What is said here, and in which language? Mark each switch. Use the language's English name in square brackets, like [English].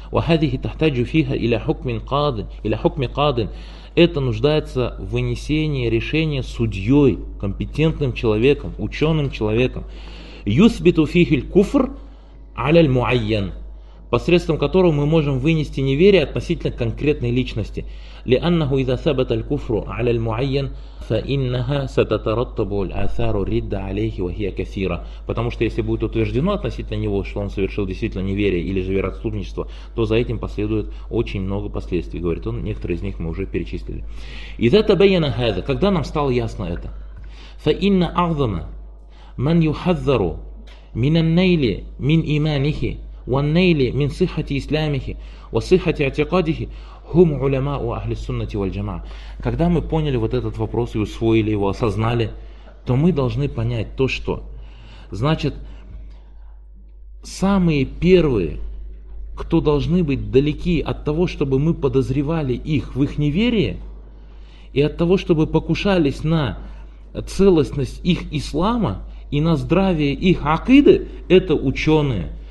[Arabic] Ва хадихи тахтаджу фиха иля хукмин кадын, иля хукми кадын. [Russian] Это нуждается в вынесении решения судьей, компетентным человеком, ученым человеком. [Arabic] Юсбиту фихиль куфр аляль муайян. [Russian] посредством которого мы можем вынести неверие относительно конкретной личности. [Arabic] لأنه إذا ثبت الكفر على المعين فإنها ستترتب الآثار الردة عليه وهي كثيرة. [Russian] Потому что если будет утверждено относительно него, что он совершил действительно неверие или же вероотступничество, то за этим последует очень много последствий. Говорит он, некоторые из них мы уже перечислили. [Arabic] إذا تبين هذا, [Russian] когда нам стало ясно это, [Arabic] فإن أعظم من يحذر من النيل من إيمانه والنيل من صحة إسلامه وصحة اعتقاده هم علماء أهل السنة والجماعة. [Russian] Когда мы поняли вот этот вопрос и усвоили его, осознали, то мы должны понять то, что значит самые первые, кто должны быть далеки от того, чтобы мы подозревали их в их неверии и от того, чтобы покушались на целостность их ислама и на здравие их акиды, это ученые.